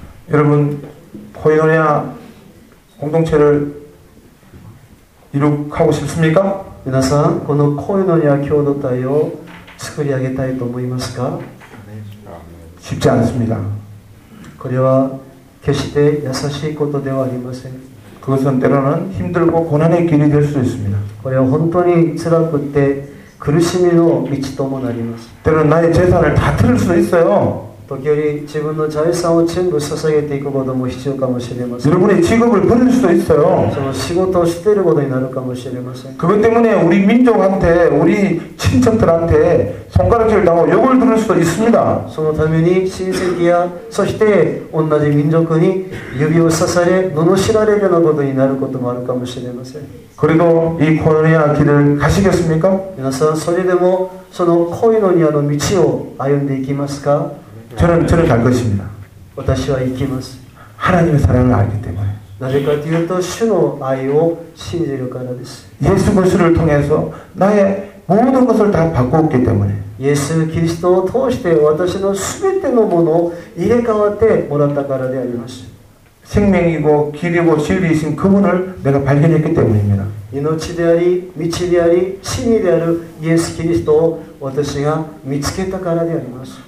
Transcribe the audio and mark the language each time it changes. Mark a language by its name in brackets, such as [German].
[Korean] 여러분코이노니아공동체를이룩하고싶습니까 [Japanese] 皆さんこのコイノニア共同体を作り上げたいと思いますか [Korean] 쉽지않습니다 그것은 [Japanese] 決して優しいことではありません [Korean] 그것은때로는힘들고고난의길이될수있습니다 그것은 [Japanese] 本当につらくて苦しみの道ともなります [Korean] 때로는나의재산을다틀을수도있어요 [Japanese] 時折自分の財産を全部捧げていくことも必要かもしれません [Korean] 여러분의직업을버릴수도있어요 [Japanese] その仕事を捨てることになるかもしれません [Korean] 그것때문에우리민족한테우리친척들한테손가락질을당하고욕을들을수도있습니다 [Japanese] そのために親戚やそして同じ民族に指を刺され罵られるようなことになることもあるかもしれません [Korean] 그래도이코이노니아길을가시겠습니까 [Japanese] 皆さんそれでもそのコイノニアの道を歩んでいきますか [Korean] 저는갈것입니다 [Japanese] 私は行きます [Korean] 하나님의사랑을알기때문에 [Japanese] なぜかというと主の愛を信じるからです [Korean] 예수그리스도를통해서나의모든것을다바꾸었기때문에 예수그리스도를통해서 [Japanese] 私の全てのものを入れ替わってもらったからであります [Korean] 생명이고길이고진리이신그분을내가발견했기때문입니다 [Japanese] 命であり道であり真理であるイエス・キリストを私が見つけたからであります